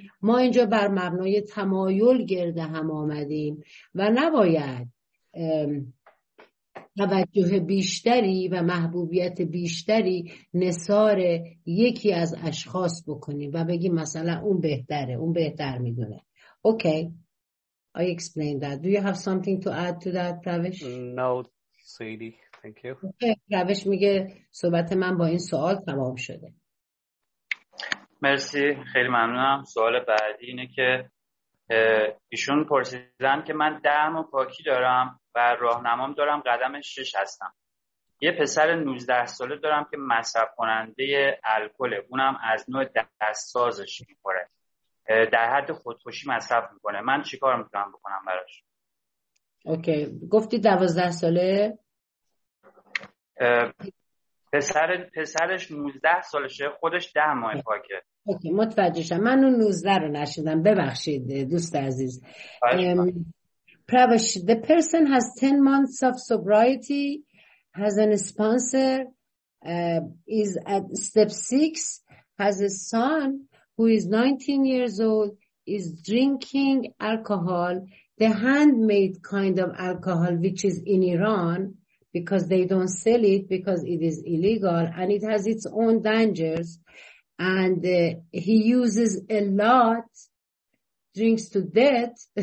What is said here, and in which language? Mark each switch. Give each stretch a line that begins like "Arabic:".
Persian: ما اینجا بر مبنای تمایل گرد هم آمدیم و نباید توجه بیشتری و محبوبیت بیشتری نثار یکی از اشخاص بکنیم و بگیم مثلا اون بهتره، اون بهتر میدونه.
English: Okay, I explained that. Do you have something to add to that, Pravesh? No, Sadie. Thank you.
Persian: Okay, Pravesh میگه صحبت من با این سوال تمام شده. مرسی، خیلی ممنونم. سوال بعدی اینه که ایشون پرسیدن که من دهن و پاکی دارم و راهنمام دارم، قدم 6 هستم. یه پسر 19 ساله دارم که مصرف کننده الکل، اونم از نوع دستسازش میخوره، در حد خودکشی مصرف میکنه، من چیکار میتونم بکنم براش؟ اوکی، گفتی 12 ساله؟ پسرش 19 سالشه، خودش 10 ماه پاکه. اوکی، متوجه شدم. من اون 19 رو نشیدم، ببخشید دوست عزیز.
English: پروش، the person has 10 months of sobriety, has a sponsor, is at step 6, has a son who is 19 years old, is drinking alcohol, the handmade kind of alcohol which is in Iran, because they don't sell it because it is illegal and it has its own dangers, and he uses a lot, drinks to death.